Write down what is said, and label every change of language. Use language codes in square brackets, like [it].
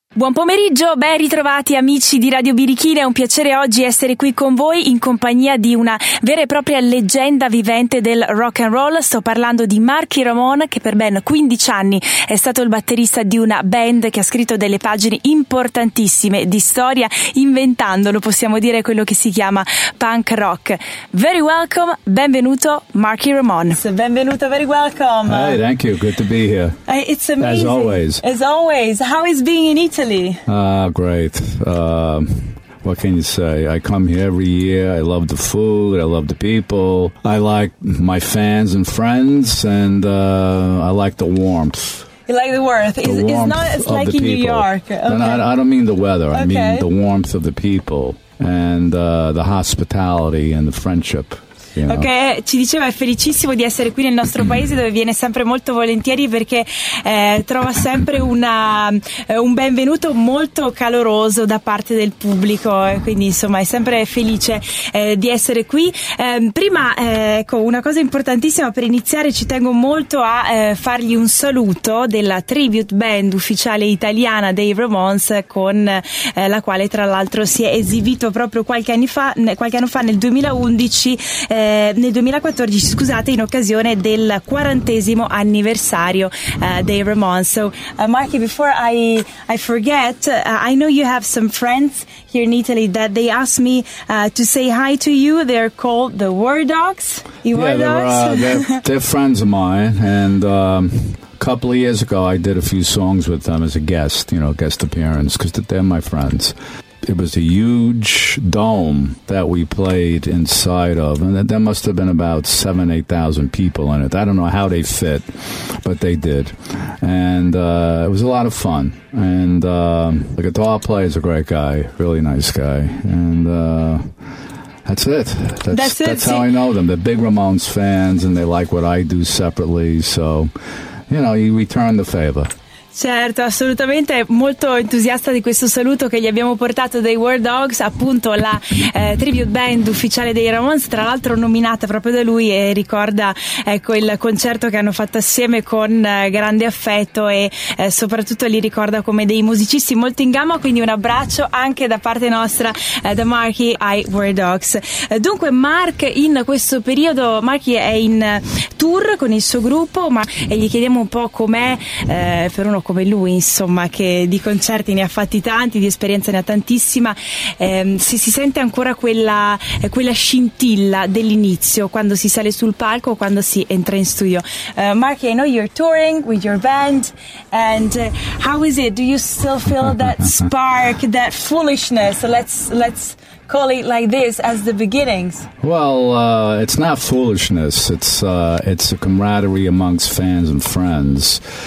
[it] Buon pomeriggio, ben ritrovati amici di Radio Birichina. È un piacere oggi essere qui con voi in compagnia di una vera e propria leggenda vivente del rock and roll. Sto parlando di Marky Ramone, che per ben 15 anni è stato il batterista di una band che ha scritto delle pagine importantissime di storia, inventandolo, possiamo dire, quello che si chiama punk rock. [en] Very welcome, benvenuto Marky Ramone. Benvenuto, very welcome. Hi, thank you, good to be here. It's amazing. As always. As always. How is being in Italy? Great. What can you say? I come here every year. I love the food. I love the people. I like my fans and friends, and I like the warmth. You like the warmth. It's like in New York. Okay. No, I don't mean the weather. I mean the warmth of the people and the hospitality and the friendship. You know. [it] Ok, ci diceva, è felicissimo di essere qui nel nostro paese, dove viene sempre molto volentieri, perché trova sempre un benvenuto molto caloroso da parte del pubblico, quindi insomma è sempre felice di essere qui. Prima, una cosa importantissima per iniziare, ci tengo molto a fargli un saluto della tribute band ufficiale italiana dei Ramones, con la quale tra l'altro si è esibito proprio qualche anno fa nel 2011. Nel 2014, in occasione del 40th anniversario dei Ramones. [en] So, Marky, before I forget, I know you have some friends here in Italy that they asked me to say hi to you. They're called the War Dogs. They're friends of mine, and a couple of years ago, I did a few songs with them as a guest, you know, guest appearance, because they're my friends. It was a huge dome that we played inside of, and there must have been about 7,000-8,000 people in it. I don't know how they fit, but they did, and it was a lot of fun. And the guitar player is a great guy, really nice guy, and that's it. That's it. How I know them. They're big Ramones fans, and they like what I do separately. So, you know, you return the favor. [it] Certo, assolutamente, molto entusiasta di questo saluto che gli abbiamo portato dai War Dogs, appunto la tribute band ufficiale dei Ramones, tra l'altro nominata proprio da lui, e ricorda, ecco, il concerto che hanno fatto assieme con grande affetto, e soprattutto li ricorda come dei musicisti molto in gamma. Quindi un abbraccio anche da parte nostra, da Marky ai War Dogs. Dunque, Mark, in questo periodo Marky è in tour con il suo gruppo, ma e gli chiediamo un po' com'è per uno come lui, insomma, che di concerti ne ha fatti tanti, di esperienza ne ha tantissima, se si sente ancora quella scintilla dell'inizio, quando si sale sul palco o quando si entra in studio. [en] Marky, I know you're touring with your band, and how is it? Do you still feel that spark, that foolishness? Let's call it like this, as the beginnings. Well, it's not foolishness. It's a camaraderie amongst fans and friends.